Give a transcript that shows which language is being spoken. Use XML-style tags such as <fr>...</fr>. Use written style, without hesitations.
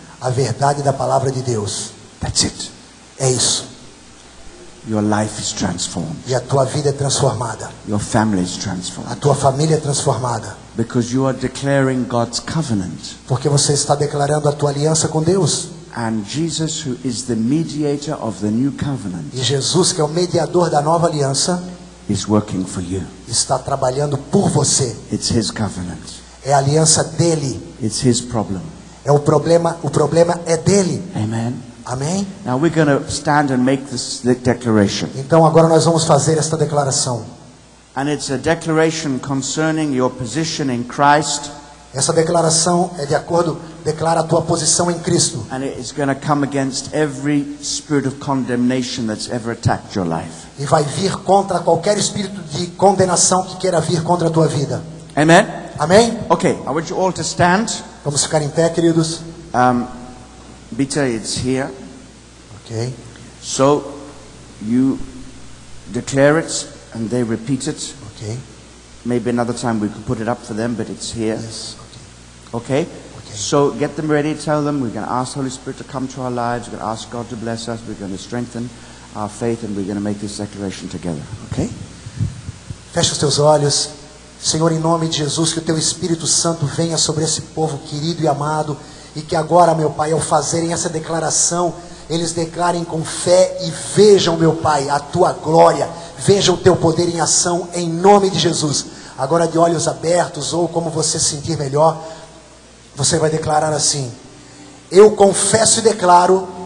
<pt>A verdade da palavra de Deus.</pt> <en>That's it.</en> <pt>É isso.</pt> <en>Your life is transformed.</en> <pt>E a tua vida é transformada.</pt> <en>Your family is transformed.</en> <pt>A tua família é transformada.</pt> <en>Because you are declaring God's covenant.</en> <pt>Porque você está declarando a tua aliança com Deus.</pt> <en>And Jesus, who is the mediator of the new covenant,</en> <pt>e Jesus, que é o mediador da nova aliança,</pt> <en>is working for you.</en> <pt>Está trabalhando por você.</pt> <en>It's his covenant.</en> <pt>É a aliança dele.</pt> <en>It's his problem.</en> <pt>É o problema. O problema é dele.</pt> <en>Amen.</en> <pt>Amém.</pt> <en>Now we're going to stand and make this declaration.</en> <pt>Então agora nós vamos fazer esta declaração.</pt> <en>And it's a declaration concerning your position in Christ.</en> <pt>Essa declaração é de acordo, declara a tua posição em Cristo.</pt> <en>And it is going to come against every spirit of condemnation that's ever attacked your life.</en> <pt>E vai vir contra qualquer espírito de condenação que queira vir contra a tua vida.</pt> <en>Amen.</en> <pt>Amém.</pt> <en>Okay, I want you all to stand.</en> <pt>Vamos ficar em pé, queridos.</pt> <en>Bita, it's here. Okay. So you declare it and they repeat it. Okay. Maybe another time we could put it up for them, but it's here. Yes. Okay. Okay. So get them ready. Tell them we're going to ask Holy Spirit to come to our lives. We're going to ask God to bless us. We're going to strengthen our faith, and we're going to make this declaration together. Okay?</en> <pt>Feche os teus olhos, Senhor, em nome de Jesus, que o Teu Espírito Santo venha sobre esse povo querido e amado, e que agora, meu Pai, ao fazerem essa declaração, eles declarem com fé e vejam, meu Pai, a Tua glória. Veja o Teu poder em ação em nome de Jesus. Agora de olhos abertos ou como você sentir melhor, você vai declarar assim: eu confesso e declaro,</pt>